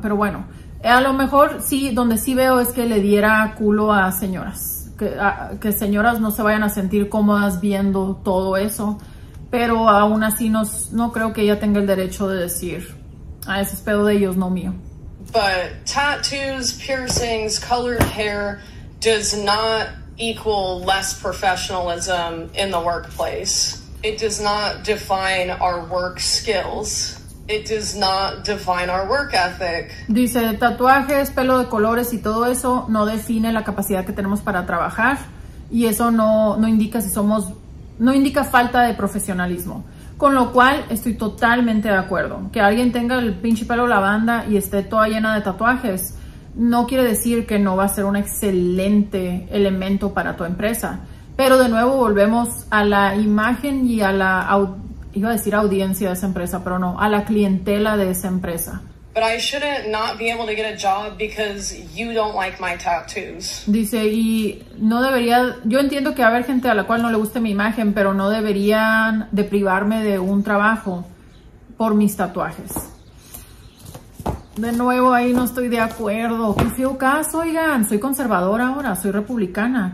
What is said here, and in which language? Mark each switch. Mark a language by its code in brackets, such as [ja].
[es] Pero bueno, a lo mejor sí, donde sí veo es que le diera culo a señoras, que señoras no se vayan a sentir cómodas viendo todo eso, pero aún así no creo que ella tenga el derecho de decir, a eso es pedo de ellos, no mío. [en] But tattoos, piercings, colored hair does not equal less professionalism in the workplace. It does not define our work skills. It does not define our work ethic. [es] Dice, tatuajes, pelo de colores y todo eso no define la capacidad que tenemos para trabajar y eso no indica si somos, no indica falta de profesionalismo. Con lo cual, estoy totalmente de acuerdo. Que alguien tenga el pinche pelo lavanda y esté toda llena de tatuajes, no quiere decir que no va a ser un excelente elemento para tu empresa. Pero de nuevo, volvemos a la imagen y a la, iba a decir audiencia de esa empresa, pero no, a la clientela de esa empresa. [en] But I shouldn't not be able to get a job because you don't like my tattoos. [es] Dice, y no debería, yo entiendo que va a haber gente a la cual no le guste mi imagen, pero no deberían de privarme de un trabajo por mis tatuajes. De nuevo, ahí no estoy de acuerdo. Qué feo caso, oigan, soy conservadora ahora, soy republicana.